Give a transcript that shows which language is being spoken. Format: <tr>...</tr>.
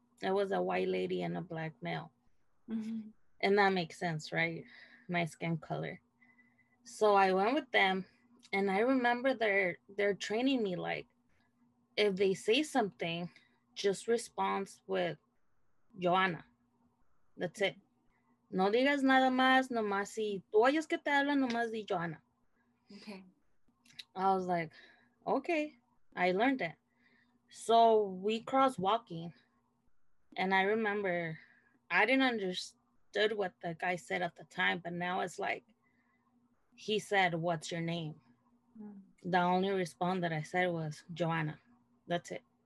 <en>It was a white lady and a black male. Mm-hmm. And that makes sense, right? My skin color. So I went with them, and I remember they're training me, like, if they say something, just respond with Joanna. That's it.</en> <es>No digas nada más, nomás si tú oyes que te habla, nomás di Joanna.</es> <en>Okay. I was like, okay, I learned it. So we crossed walking, and I remember I didn't understand what the guy said at the time, but now it's like, he said, "What's your name?" The only response that I said was, "Joanna." That's it.</en>